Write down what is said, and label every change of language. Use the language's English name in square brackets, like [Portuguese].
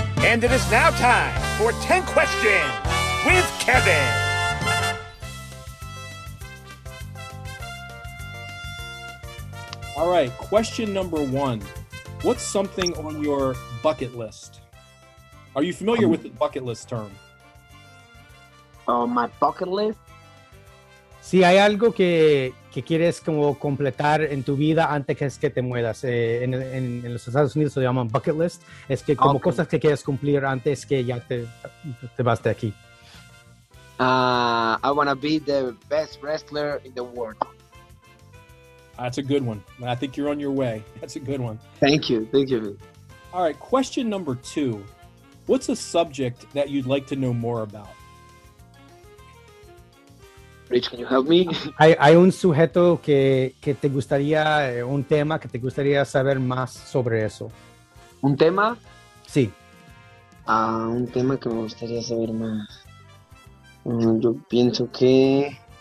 [English] And it is now time for 10 Questions with Kevin. All right, question number one. What's something on your bucket list? Are you familiar with the bucket list term? Oh, my bucket list? [Spanish] Si hay algo que quieres como completar en tu vida antes que te mueras, en los Estados Unidos se llaman bucket list, es que como okay. Cosas que quieres cumplir antes que ya te vas de aquí. [English] I want to be the best wrestler in the world. That's a good one. I think you're on your way. That's a good one. Thank you. All right, question number two. What's a subject that you'd like to know more about? Rich, can you help me? [Spanish] Hay un sujeto que te gustaría, un tema que te gustaría saber más sobre eso. ¿Un tema? Sí. Un tema que me gustaría saber más. Yo pienso que...